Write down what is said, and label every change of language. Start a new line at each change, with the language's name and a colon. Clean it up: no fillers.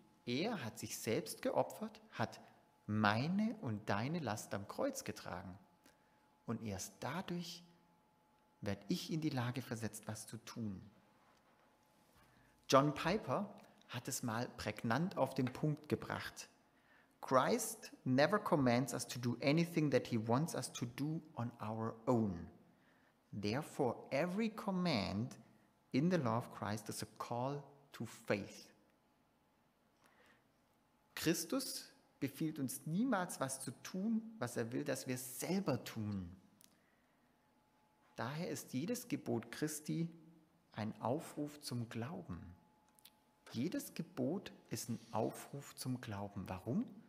German: Er hat sich selbst geopfert, hat meine und deine Last am Kreuz getragen. Und erst dadurch werde ich in die Lage versetzt, was zu tun. John Piper hat es mal prägnant auf den Punkt gebracht.
English: Christ never commands us to do anything that he wants us to do on our own. Therefore, every command in the law of Christ is a call to faith.
German: Christus befiehlt uns niemals, was zu tun, was er will, dass wir es selber tun. Daher ist jedes Gebot Christi ein Aufruf zum Glauben. Jedes Gebot ist ein Aufruf zum Glauben. Warum?